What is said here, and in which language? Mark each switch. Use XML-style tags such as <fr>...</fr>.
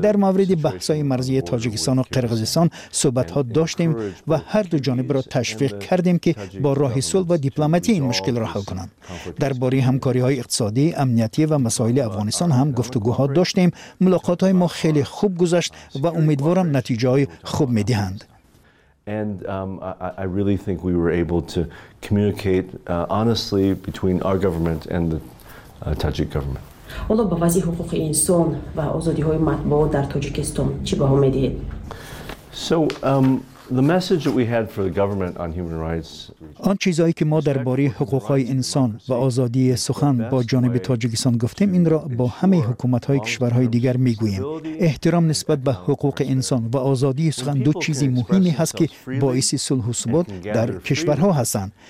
<fa>در مورد بحث‌های مرزی تاجیکستان و قرغیزستان صحبت‌ها داشتیم و هر دو جانب را تشویق کردیم که با راه صلح و دیپلماتی این مشکل را حل کنند. درباره همکاری‌های اقتصادی، امنیتی و مسائل افغانستان هم گفتگوها داشتیم. ملاقات‌های ما خیلی خوب گذشت و امیدوارم نتایج خوب می‌دهند.</fa> <en>And I really think we were able to communicate honestly between our government and the Tajik government.</en> <tg>Olo ba vazi huquq inson va azadi-hoye matbuot dar Tojikiston chi baho medihed?</tg> <en>So the message that we had for the government on human rights.</en> <fa>آن چیزایی که ما درباره حقوق‌های انسان و آزادی سخن با جانب تاجیکستان گفتیم، این را با همه حکومت‌های کشورهای دیگر می‌گوییم. احترام نسبت به حقوق انسان و آزادی سخن دو چیزی مهمی هست که باعث صلح و ثبات در کشورها هستند.</fa>